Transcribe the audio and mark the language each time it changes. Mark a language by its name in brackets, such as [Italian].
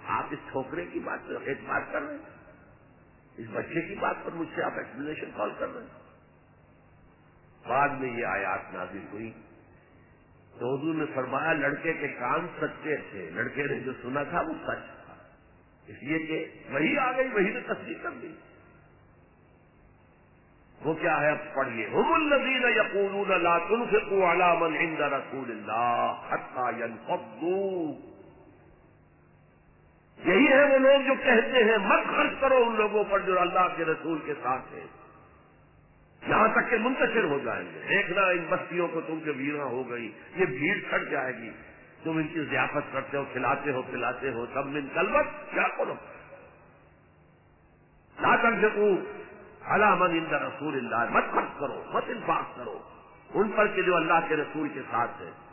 [Urdu] آپ اس چھوکرے کی بات پر اعتماد کر رہے ہیں, اس بچے کی بات پر مجھ سے آپ ایکسپلینیشن کال کر رہے ہیں. بعد میں یہ آیات نازل ہوئی تو حضور نے فرمایا لڑکے کے کان سچے تھے, لڑکے نے جو سنا تھا وہ سچ تھا, اس لیے کہ وہی آ گئی وہی نے تصدیق کر دی. وہ کیا ہے اب پڑھیے, [Arabic] هم الذين يقولون لا تنفقوا على من عند رسول الله حتى ينفضوا. [Urdu] یہی ہے وہ لوگ جو کہتے ہیں مت خرچ کرو ان لوگوں پر جو اللہ کے رسول کے ساتھ ہیں یہاں تک کہ منتشر ہو جائیں گے. دیکھنا ان بستیوں کو تم کے ویراں ہو گئی, یہ بھیڑ کھٹ جائے گی. تم ان کی ضیافت کرتے ہو, کھلاتے ہو پلاتے ہو, سب من کلبت کیا کرو, [Arabic] لا تنفقوا على من عند رسول اللہ, [Urdu] مت خرچ کرو مت انفاق کرو ان پر کہ جو اللہ کے رسول کے ساتھ ہے.